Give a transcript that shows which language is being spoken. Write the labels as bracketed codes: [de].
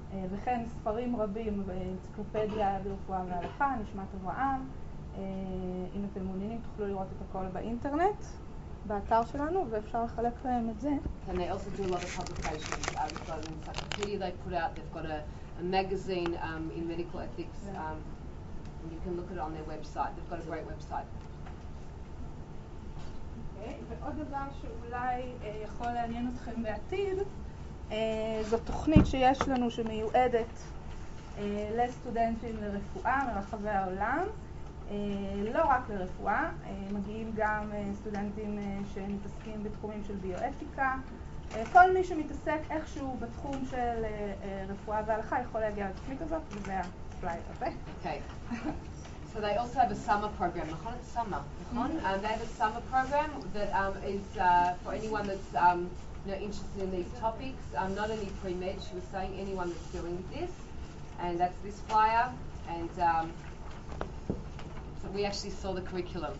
[he] וכן ספרים רבים באנציקלופדיה ברפואה והלכה, נשמת אברהם. אם אתם מעוניינים תוכלו לראות את הכל באינטרנט, באתר שלנו, ואפשר לחלק להם את זה. [en] And they also do a lot of publications. They've got an encyclopedia they put out, they've got a magazine in medical ethics. And you can look at it on their website. They've got a great website. [he] Okay. ועוד דבר שאולי יכול לעניין אתכם בעתיד, זו תוכנית שיש לנו שמיועדת לסטודנטים לרפואה מרחבי העולם, לא רק לרפואה, מגיעים גם סטודנטים שמתעסקים בתחומים של ביואתיקה. כל מי שמתעסק איכשהו בתחום של רפואה והלכה יכול להגיע לתוכנית הזאת, וזה הסלייד הזה. [en] Okay. So they also have a summer program, נכון? It's summer, נכון? Mm-hmm. They have a summer program that is for anyone that's interested in these topics, not only pre-med, she was saying, anyone that's dealing with this, and that's this flyer, and so we actually saw the curriculum.